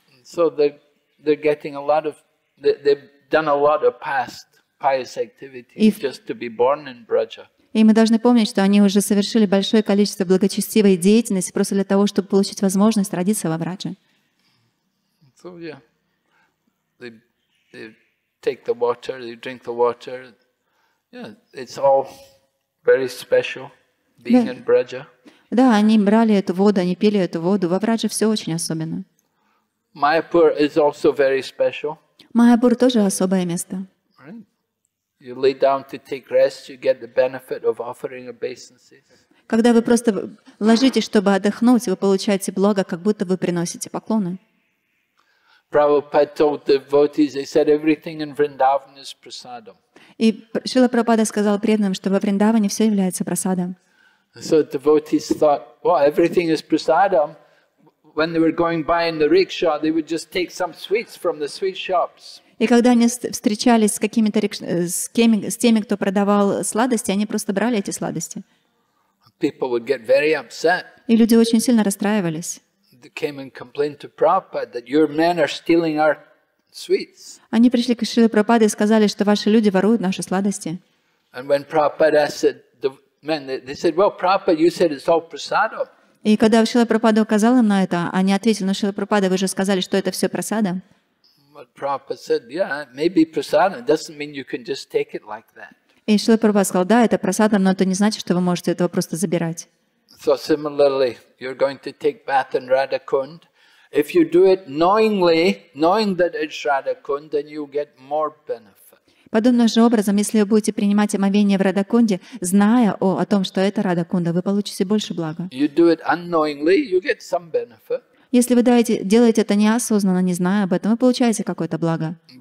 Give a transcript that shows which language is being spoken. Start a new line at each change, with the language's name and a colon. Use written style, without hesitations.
English: So they're getting a lot of, they've done a lot of past pious activity just to be born in Braja.
Russian: И мы должны помнить, что они уже совершили большое количество благочестивой деятельности просто для того, чтобы получить возможность родиться во Брадже.
English: So yeah. They take the water, they drink the water. Yeah, it's all very special being yeah. in Braja.
Russian: Да, они брали эту воду, они пили эту воду. Во Врадже все очень особенно.
English: Mayapur is also very special.
Russian: Mayapur тоже особое место.
English: Right. You lay down to take rest, you get the benefit of offering obeisances.
Russian: Когда вы просто ложитесь, чтобы отдохнуть, вы получаете благо, как будто вы приносите поклоны.
English: Prabhupada told the devotees, he said, everything in Vrindavan is prasadam.
Russian: И Шрила Прабхупада сказал преданным, что во Вриндаване все является прасадом.
English: So the devotees thought, well, everything is prasadam. When they were going by in the rickshaw, they would just take some sweets from the sweet shops.
Russian: И когда они встречались с какими-то с теми, кто продавал сладости, они просто брали эти сладости.
English: People would get very upset.
Russian: И люди очень сильно расстраивались.
English: They came and complained to Prabhupada that your men are stealing our sweets.
Russian: Они пришли к Шриле Прабхупаде и сказали, что ваши люди воруют наши сладости.
English: And when Prabhupada said Man, they said, "Well, Prabhupada, you said it's all prasada."
Russian: И когда Шрила Прабхупада указал им на это, они ответили: "Но Шрила Прабхупада, вы же сказали, что это все прасада."
English: But Prabhupada said, "Yeah, maybe prasada doesn't mean you can just take it like that."
Russian: И Шрила Прабхупада сказал: "Да, это прасада, но это не значит, что вы можете этого просто забирать."
English: So similarly, you're going to take bath in Radha Kund. If you do it knowingly, knowing that it's Radha Kund, then you get more benefit.
Russian: Подобным же образом, если вы будете принимать омовение в Радакунде, зная о том, что это Радакунда, вы получите больше блага. Если вы делаете это неосознанно, не зная об этом, вы получаете какое-то благо.